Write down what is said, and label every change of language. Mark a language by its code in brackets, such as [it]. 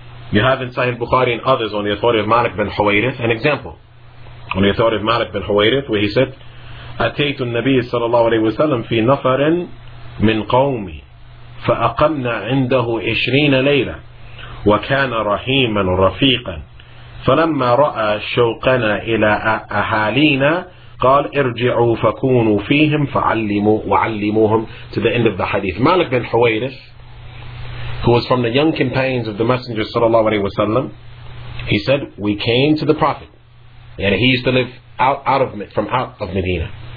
[en] You have in Sahih Bukhari and others on the authority of Malik bin Huwayrith an example. On the authority of Malik bin Huwayrith, where he said, [ar] أتيت النبي صلى الله عليه وسلم في نفر من قومي فأقمنا عنده 20 ليلة وكان رحيما رفيقا فلما رأى شوقنا إلى أهالينا قال ارجعوا فكونوا فيهم فعلموا وعلموهم. [en] To the end of the hadith. Malik bin Huwayrith, who was from the young companions of the Messenger sallallahu alaihi wasallam, he said, we came to the Prophet, and he used to live out of Medina.